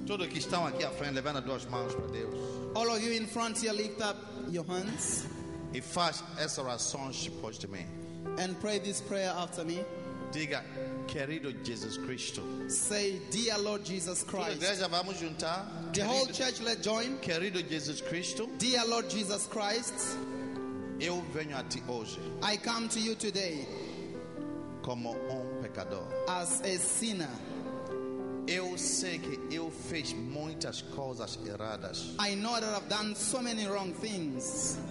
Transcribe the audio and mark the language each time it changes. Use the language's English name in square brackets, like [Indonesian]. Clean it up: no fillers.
[Portuguese] Que estão aqui à frente levando duas mãos para Deus. [English] All of you in front here lift up your hands. [Portuguese] E faz essa oração após de mim. [English] And pray this prayer after me. [Portuguese] Diga, querido Jesus Cristo. [English] Say, dear Lord Jesus Christ. [Portuguese] Toda a igreja vamos juntar. [English] The whole church let join. [Portuguese] Querido Jesus Cristo. [English] Dear Lord Jesus Christ. [Portuguese] Eu venho a ti hoje. [English] I come to you today. [Portuguese] Como pecador. [English] As a sinner. [Portuguese] Eu sei que eu fiz muitas coisas erradas. [English] I know that I've done so many wrong things.